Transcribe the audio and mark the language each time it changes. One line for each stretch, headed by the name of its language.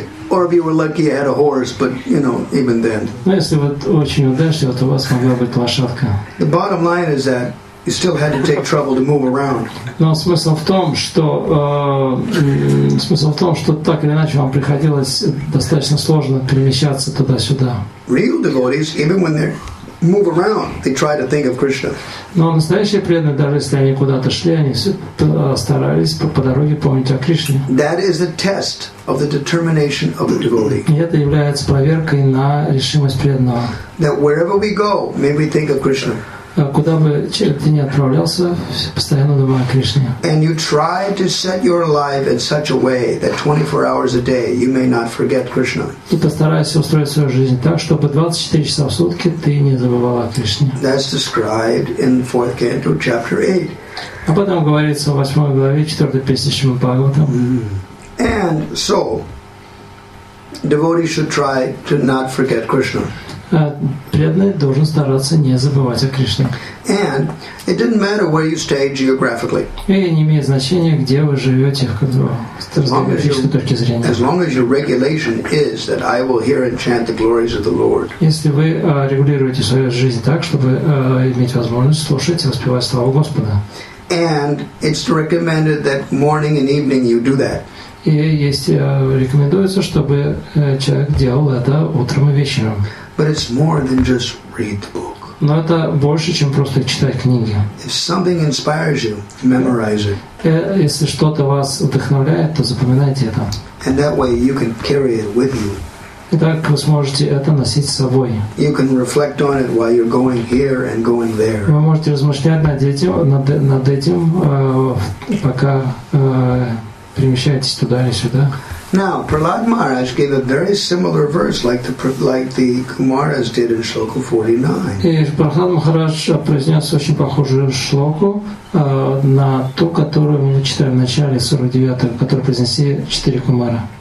English: Or if you were lucky, you had a horse, but, you know, even then.
Russian: Ну, если вы очень удачливы, то у вас могла быть лошадка.
English: The bottom line is that you still had to take trouble to move around.
Russian: Но смысл в том, что так или иначе вам приходилось достаточно сложно перемещаться туда-сюда.
English: Real devotees, even when they're move around, they try to think of Krishna.
Russian: Но настоящие преданные, даже если они куда-то шли, они старались по дороге помнить о Кришне.
English: That is the test of the determination of the devotee.
Russian: И это является проверкой на решимость преданного.
English: That wherever we go, may we think of Krishna.
Russian: Куда бы человек ни отправлялся, постоянно думал о Кришне.
English: And you try to set your life in such a way that 24 hours a day you may not forget Krishna.
Russian: Ты постараешься устроить свою жизнь так, чтобы 24 часа в сутки ты не забывал о Кришне.
English: That's described in the fourth canto, chapter 8.
Russian: А потом говорится в 8 главе 4 песни Шримад-Бхагаватам.
English: And so, devotees should try to not forget Krishna.
Russian: Преданный должен стараться не забывать о Кришне.
English: And it didn't matter where you stay geographically.
Russian: И не имеет значения, где вы живете, в географической точке зрения.
English: As long as your regulation is that I will hear and chant the glories of the Lord.
Russian: Если вы регулируете свою жизнь так, чтобы иметь возможность слушать и воспевать славу Господа.
English: And it's recommended that morning and evening you do that.
Russian: И есть рекомендуется, чтобы человек делал это утром и вечером.
English: But it's more than just read the book.
Russian: Но это больше, чем просто читать книги.
English: If something inspires you, memorize it.
Russian: Если что-то вас вдохновляет, то запоминайте это.
English: And that way you can carry it with you.
Russian: И так вы сможете это носить с собой.
English: You can reflect on it while you're going here and going there.
Russian: Вы можете размышлять над этим, пока перемещаетесь туда или сюда.
English: Now, Prahlad Maharaj gave a very similar verse like the Kumaras did in Shloka 49.
Russian: И Прахлад Махарадж произнес очень похожую шлоку на ту, которую мы читали в начале 49-го, которую произнесли четыре кумара.